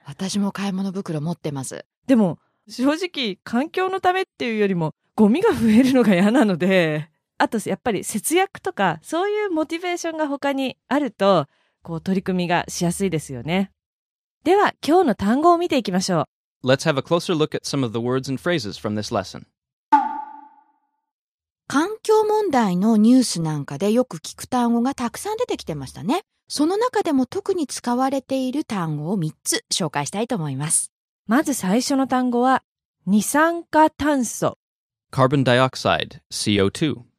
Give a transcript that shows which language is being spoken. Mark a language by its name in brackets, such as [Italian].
[Japanese] 私も買い物袋持ってます。でも正直環境のためっていうよりもゴミが増えるのが嫌なので、あとやっぱり節約とかそういうモチベーションが他にあるとこう取り組みがしやすいですよね。では今日の単語を見ていきましょう。 [English] Let's have a closer look at some of the words and phrases from this lesson. [Japanese] 環境問題のニュースなんかでよく聞く単語がたくさん出てきてましたね。その中でも特に使われている単語を3つ紹介したいと思います。まず最初の単語は二酸化炭素、 [English] Carbon dioxide, CO2.